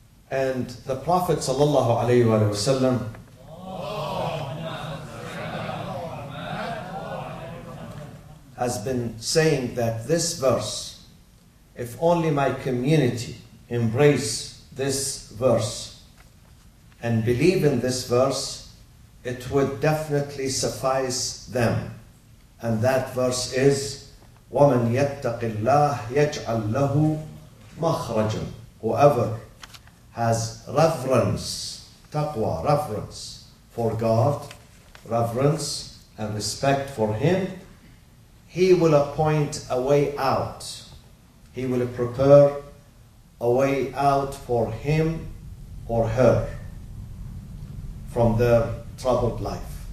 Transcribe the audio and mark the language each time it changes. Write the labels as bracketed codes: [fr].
[en] And the Prophet sallallahu alayhi wa sallam has been saying that this verse, if only my community embrace this verse and believe in this verse, it would definitely suffice them. And that verse is, [ar] وَمَنْ يَتَّقِ اللَّهِ يَجْعَلْ لَهُ مَخْرَجًا. [en] Whoever has reverence, taqwa, reverence for God, reverence and respect for Him, He will appoint a way out. He will prepare a way out for him or her from their troubled life.